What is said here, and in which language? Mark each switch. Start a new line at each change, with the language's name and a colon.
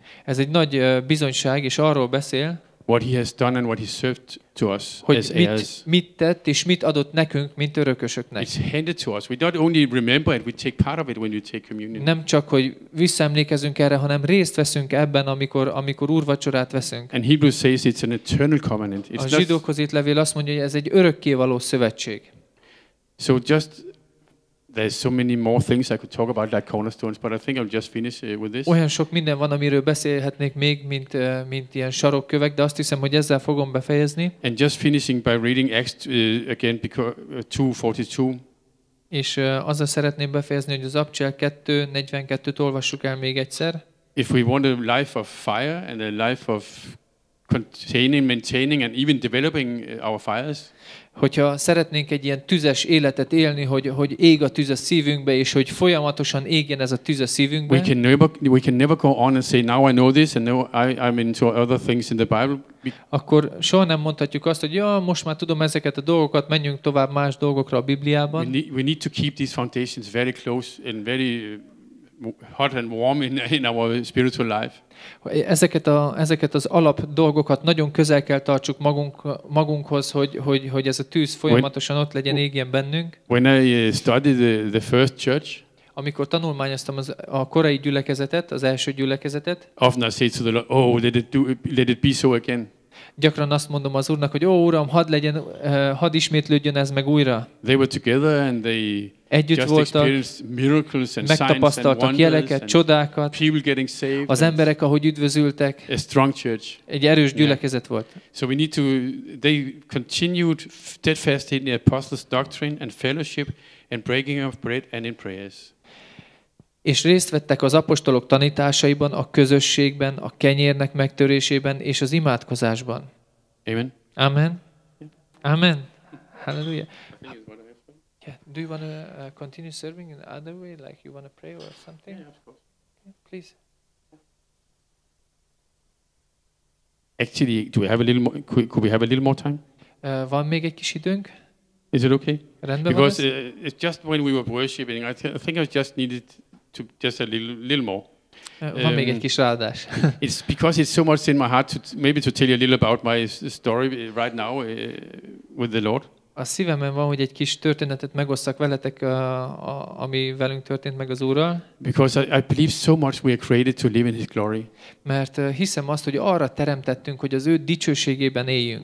Hungarian: Ez egy nagy bizonyság, és arról beszél.
English: What he has done and what he served to us as heirs.
Hungarian: Mit tett és mit adott nekünk, mint örökösöknek.
English: It's handed to us. We don't only remember it, we take part of it when you take communion.
Hungarian: Nem csak hogy visszaemlékezünk erre, hanem részt veszünk ebben, amikor úrvacsorát veszünk.
English: And Hebrews says it's an eternal covenant.
Hungarian: A zsidókhoz írt levél azt mondja, hogy ez egy örökkévaló szövetség.
English: So just there's so many more things I could talk about like cornerstones, but I think I'll just finish with this.
Hungarian: Olyan sok minden van, amiről beszélhetnék még, mint ilyen sarokkövek, de azt hiszem, hogy ezzel fogom befejezni.
English: And just finishing by reading Acts again, because 2:42.
Hungarian: És azzal szeretném befejezni, hogy az Apcsel 2:42-t olvassuk el még egyszer.
English: If we want a life of fire and a life of containing, maintaining and even developing our fires.
Hungarian: Hogyha szeretnénk egy ilyen tüzes életet élni, hogy ég a tűz a szívünkbe, és hogy folyamatosan égjen ez a tűz a szívünkbe.
English: We can never go on and say now I know this and now I'm into other things in the Bible.
Hungarian: Akkor soha nem mondhatjuk azt, hogy ja, most már tudom ezeket a dolgokat, menjünk tovább más dolgokra a Bibliában.
English: We need to keep these foundations very close and very hot and warm in our spiritual life.
Hungarian: Ezeket az alap dolgokat nagyon közel kell tartsuk magunkhoz, hogy ez a tűz folyamatosan ott legyen, égjen bennünk.
English: When I studied the first church,
Hungarian: amikor tanulmányoztam a korai gyülekezetet, az első gyülekezetet,
English: often I say to the Lord, oh, let it be so again.
Hungarian: Gyakran azt mondom az Úrnak, hogy ó, Uram, hadd ismétlődjön ez meg újra.
English: They were together and they
Hungarian: együtt voltak, megtapasztaltak jeleket, csodákat, az emberek, ahogy üdvözültek, egy erős gyülekezet volt.
English: So we need to, they continued steadfast in the apostles' doctrine and fellowship and breaking of bread and in prayers.
Hungarian: És részt vettek az apostolok tanításaiban, a közösségben, a kenyérnek megtörésében és az imádkozásban.
English: Amen.
Hungarian: Amen. Amen. Halleluja. Yeah.
English: Do you want to continue serving in the other way, like you want to pray or something? Yeah, of course. Yeah, please. Actually, do we have a little more? Could we have a little more time?
Hungarian: Van még egy kis időnk?
English: Is it okay?
Hungarian: Rendben van ez?
English: Because it's just when we were worshiping, I think I just needed to just a little more.
Hungarian: Van még egy kis ráadás.
English: It's because it's so much in my heart to tell you a little about my story right now with the Lord.
Hungarian: A szívemben van, hogy egy kis történetet megosszak veletek, ami velünk történt meg az Úrral.
English: Because I believe so much we are created to live in His glory.
Hungarian: Mert hiszem azt, hogy arra teremtettünk, hogy az ő dicsőségében éljünk.